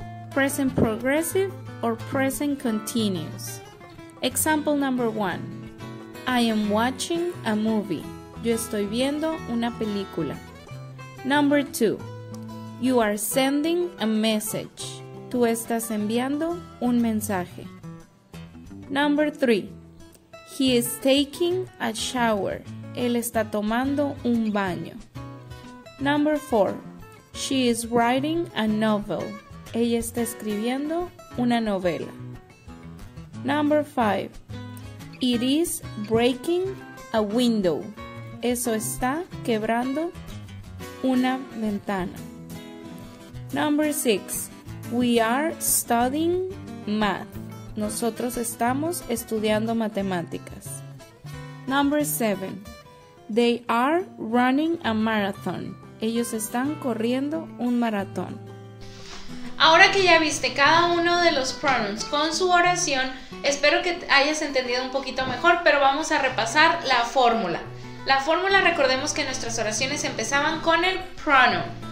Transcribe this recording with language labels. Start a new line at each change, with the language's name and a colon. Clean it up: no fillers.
English: Present progressive or present continuous. Example number one. I am watching a movie.
Spanish: Yo estoy viendo una película.
English: Number two. You are sending a message.
Spanish: Tú estás enviando un mensaje.
English: Number three. He is taking a shower.
Spanish: Él está tomando un baño.
English: Number four. She is writing a novel.
Spanish: Ella está escribiendo una novela.
English: Number five. It is breaking a window.
Spanish: Eso está quebrando una ventana.
English: Number six. We are studying math.
Spanish: Nosotros estamos estudiando matemáticas.
English: Number seven. They are running a marathon.
Spanish: Ellos están corriendo un maratón. Ahora que ya viste cada uno de los pronouns con su oración, espero que hayas entendido un poquito mejor, pero vamos a repasar la fórmula. La fórmula, recordemos que nuestras oraciones empezaban con el pronoun.